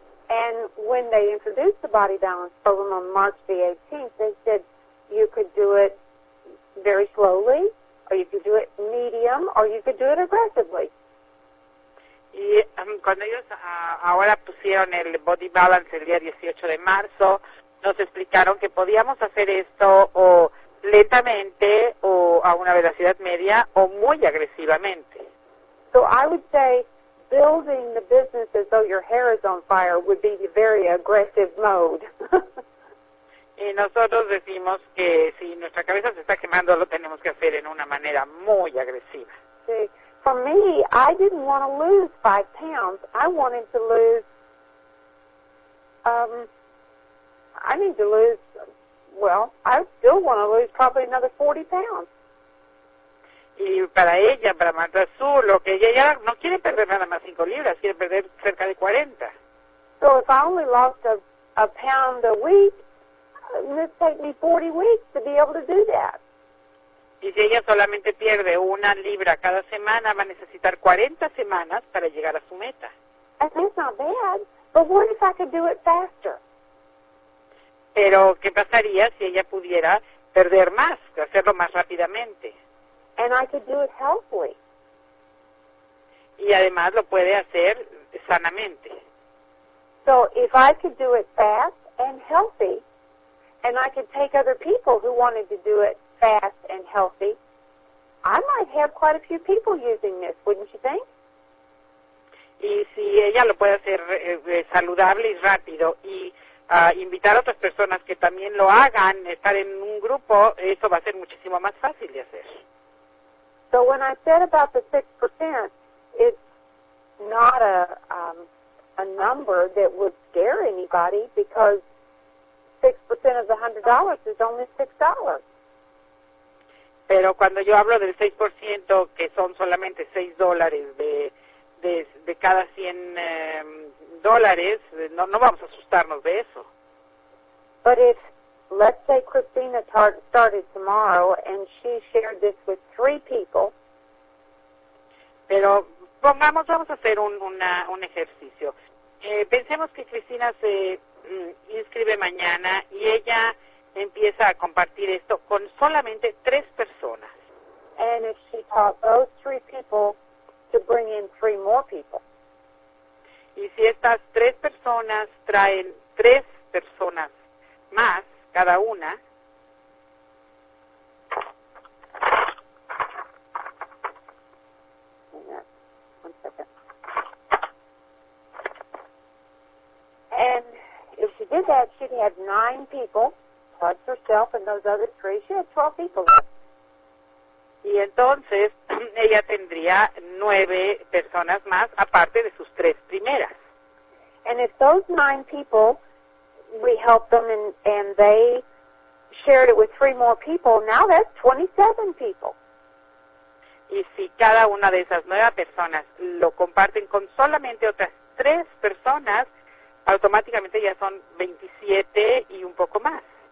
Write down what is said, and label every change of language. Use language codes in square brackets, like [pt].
[en] And when they introduced the Body Balance program on March the 18th, they said you could do it very slowly, or you could do it medium, or you could do it aggressively. [es] Y cuando ellos ahora pusieron el Body Balance el día 18 de marzo, nos explicaron que podíamos hacer esto o lentamente o a una velocidad media o muy agresivamente. [en] So I would say building the business as though your hair is on fire would be the very aggressive mode. [es] Y nosotros decimos que si nuestra cabeza se está quemando, lo tenemos que hacer en una manera muy agresiva. [en] See, for me, I didn't want to lose 5 pounds. I wanted to lose, I still want to lose probably another 40 pounds. [es] Y para ella, para Marta Azul, lo que ella no quiere perder nada más 5 libras, quiere perder cerca de 40. [en] So if I only lost a pound a week, it would take me 40 weeks to be able to do that. [es] Y si ella solamente pierde una libra cada semana, va a necesitar 40 semanas para llegar a su meta. [en] And that's not bad, but what if I could do it faster? [es] Pero, ¿qué pasaría si ella pudiera perder más, hacerlo más rápidamente? [en] And I could do it healthily. [es] Y además lo puede hacer sanamente. [en] So, if I could do it fast and healthy, and I could take other people who wanted to do it fast and healthy, I might have quite a few people using this, wouldn't you think? [es] Y si ella lo puede hacer saludable y rápido y invitar a otras personas que también lo hagan, estar en un grupo, eso va a ser muchísimo más fácil de hacer. [en] So when I said about the 6%, it's not a number that would scare anybody because 6% of the $100 is only $6. [es] Pero cuando yo hablo del 6%, que son solamente $6 de cada 100 dólares, no vamos a asustarnos de eso. [en] But if, let's say Christina started tomorrow and she shared this with 3 people. [es] Pero pongamos, vamos a hacer un ejercicio. Pensemos que Christina se inscribe mañana y ella empieza a compartir esto con solamente 3 personas. [en] And if she taught those 3 people to bring in 3 more people. [es] Y si estas 3 personas traen 3 personas más cada una, [en] and if she did that, she'd have 9 people. besides herself and those other three, she had 12 people. [es] Y entonces, ella tendría 9 personas más, aparte de sus 3 primeras. [en] And if those 9 people, we helped them and they shared it with 3 more people, now that's 27 people. [es] Y si cada una de esas 9 personas lo comparten con solamente otras 3 personas, automáticamente ya son 27 y un poco más.